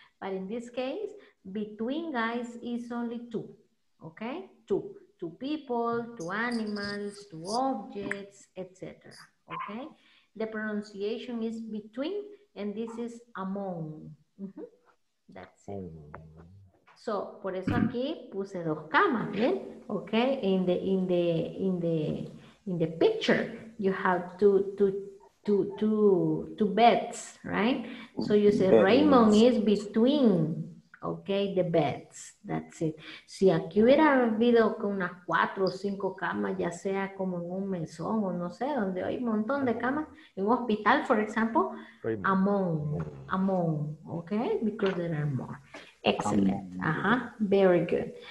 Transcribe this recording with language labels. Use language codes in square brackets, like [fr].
[en] But in this case, between guys is only two. ¿Ok? Two. Two people, two animals, two objects, etc. ¿Ok? The pronunciation is between and this is among. Mm-hmm. That's it. [es] So, por eso aquí puse dos camas, ¿ve? ¿Ok? [en] In the picture, you have two beds, right? So you say Raymond is between, okay, the beds. That's it. [es] Si aquí hubiera habido con unas cuatro o cinco camas, ya sea como en un mesón o no sé, donde hay un montón de camas, en un hospital, [en] for example, among, okay, because there are more. Excellent. Uh-huh. Very good.